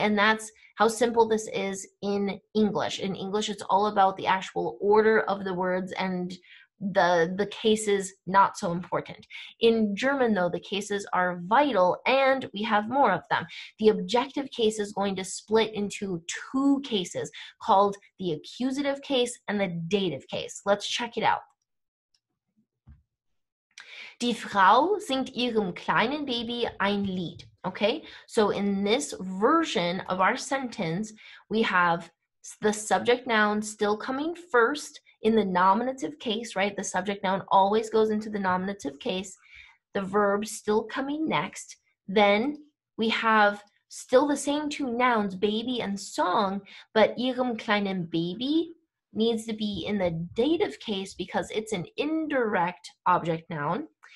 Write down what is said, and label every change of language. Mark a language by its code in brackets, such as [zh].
[en] And that's how simple this is in English. In English, it's all about the actual order of the words and the cases, not so important. In German, though, the cases are vital and we have more of them. The objective case is going to split into two cases called the accusative case and the dative case. Let's check it out. [de] Die Frau singt ihrem kleinen Baby ein Lied. [en] Okay, so in this version of our sentence, we have the subject noun still coming first in the nominative case, right? The subject noun always goes into the nominative case. The verb still coming next. Then we have still the same two nouns, baby and song, but [de] ihrem kleinen Baby [en] needs to be in the dative case because it's an indirect object noun.